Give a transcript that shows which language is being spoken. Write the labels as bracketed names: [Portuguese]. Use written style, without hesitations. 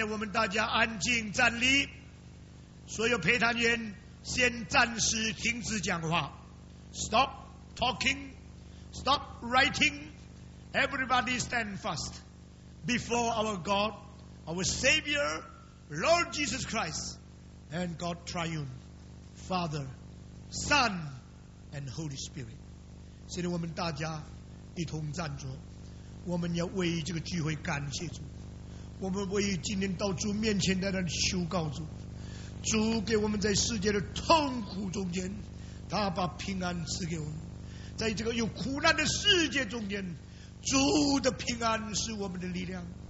[Chinese] 大家安静站立，所有陪谈员先暂时停止讲话， [English] Stop talking, Stop writing. Everybody stand fast before our God, our Savior, Lord Jesus Christ, and God Triune, Father, Son, and Holy Spirit. [Chinese] 现在我们大家一同站着，我们要为这个聚会感谢主。我们为今天到主面前的人求告主，主给我们在世界的痛苦中间，他把平安赐给我们，在这个有苦难的世界中间，主的平安是我们的力量，